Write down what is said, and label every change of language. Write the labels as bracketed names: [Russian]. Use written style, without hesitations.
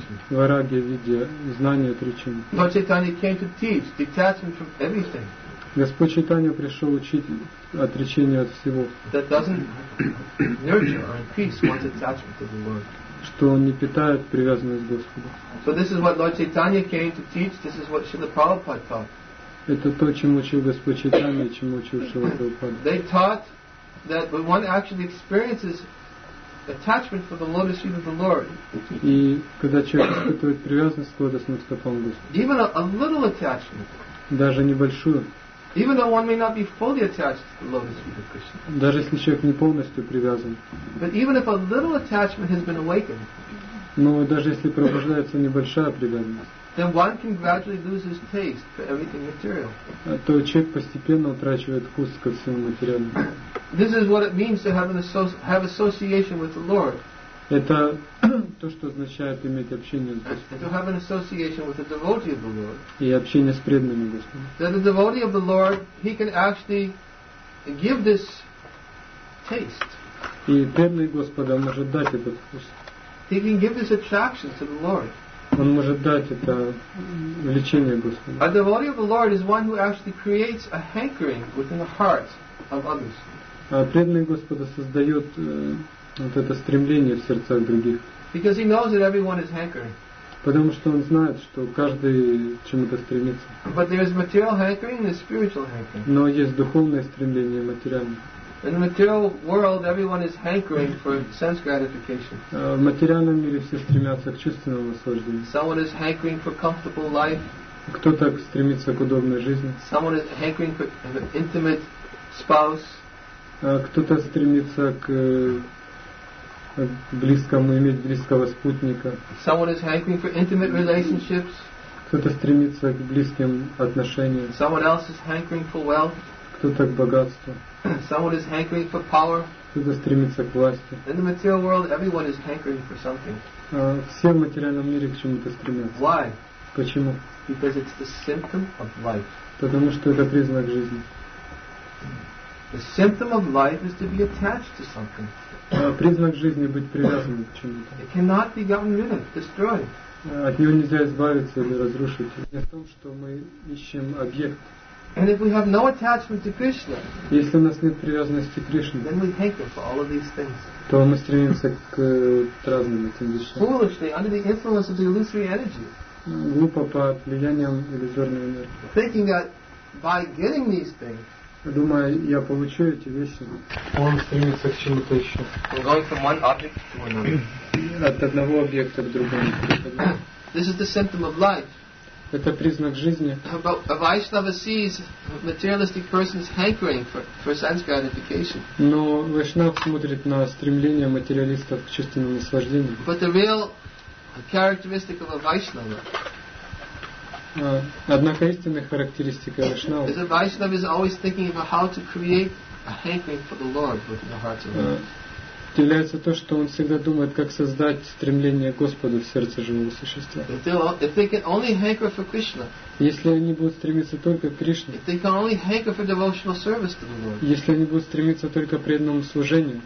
[Russian] Вайрагья видья, знание отречения. [English] Lord Chaitanya came to teach detachment from everything. [Russian] Господь Чайтанья пришел учить отречение от всего. [English] That doesn't nurture or increase one's attachment to the Lord. [Russian] Что он не питает привязанность к Господу. [English] So this is what Lord Chaitanya came to teach. This is what Srila Prabhupada taught. [Russian] Это то, чему учил Господь Чайтанья, чему учил Шрила Прабхупада. [English] They taught that when one actually experiences attachment for the lotus feet of the Lord. [Russian] И когда человек испытывает привязанность к лотосным стопам Господа. [English] Even a little attachment. [Russian] Даже небольшую. [English] Even though one may not be fully attached to the lotus feet of Krishna. [Russian] Даже если человек не полностью привязан. [English] But even if a little attachment has been awakened. [Russian] Но даже если пробуждается небольшая привязанность. [English] Then one can gradually lose his taste for everything material. [Russian] То человек постепенно утрачивает вкус ко всему материальному. [English] This is what it means to have association with the Lord. [Russian] Это то, что означает иметь общение с Господом. [English] To have an association with the devotee of the Lord. [Russian] И общение с преданными Господом. [English] That the devotee of the Lord, he can actually give this taste. [Russian] И преданный Господа может дать этот вкус. [English] He can give this attraction to the Lord. [Russian] Он может дать это влечение Господу. [English] A devotee of the Lord is one who actually creates a hankering within the hearts of others. [Russian] А преданный Господа создает вот это стремление в сердцах других. [English] Because he knows that everyone is hankering. [Russian] Потому что он знает, что каждый чему-то стремится. [English] But there is material hankering and there is spiritual hankering. [Russian] Но есть духовное стремление и материальное. [English] In the material world, everyone is hankering for sense gratification. [Russian] В материальном мире все стремятся к чувственному наслаждению. [English] Someone is hankering for comfortable life. [Russian] Кто-то стремится к удобной жизни. [English] Someone is hankering for an intimate spouse. [Russian] Кто-то стремится к близкому, иметь близкого спутника. [English] Someone is hankering for intimate relationships. [Russian] Кто-то стремится к близким отношениям. [English] Someone else is hankering for wealth. [Russian] Кто-то к богатству. [English] Someone is hankering for power. [Russian] Кто-то стремится к власти. [English] In the material world, everyone is hankering for something. [Russian] Все в материальном мире к чему-то стремятся. [English] Why? [Russian] Почему? [English] Because it's the symptom of life. [Russian] Потому что это признак жизни. [English] The symptom of life is to be attached to something. [Russian] Признак жизни быть привязанным к чему-то. [English] It cannot be gotten rid of, destroyed. [Russian] От нее нельзя избавиться или разрушить. Не в том, что мы ищем объект. [English] And if we have no attachment to Krishna, [Russian] если у нас нет привязанности к Кришне, [English] then we hanker for all of these things. [Russian] То мы стремимся к разным этим вещам. [English] Foolishly, under the influence of the illusory energy. [Russian] Глупо под влиянием иллюзорной энергии. [English] Thinking that by getting these things, [Russian] Думаю, я получу эти вещи. Он стремится к чему-то еще. От одного объекта к другому. [English] This is the symptom of life. [Russian] Это признак жизни. [English] A Vaishnava sees materialistic persons hankering for sense gratification. [Russian] Но Вайшнав смотрит на стремление материалистов к чувственному наслаждению. [English] But the real characteristic of a Vaishnava. [Russian] Однако истинная характеристика Вайшнава. [English] Is a Vaishnava is always thinking about how to create a hankering for the Lord within the hearts of men. [Russian] Является то, что он всегда думает, как создать стремление к Господу в сердце живого существа. [English] If they can only hanker for Krishna. [Russian] Если они будут стремиться только к Кришне. [English] If they can only hanker for devotional service to the Lord. [Russian] Если они будут стремиться только к преданному служению.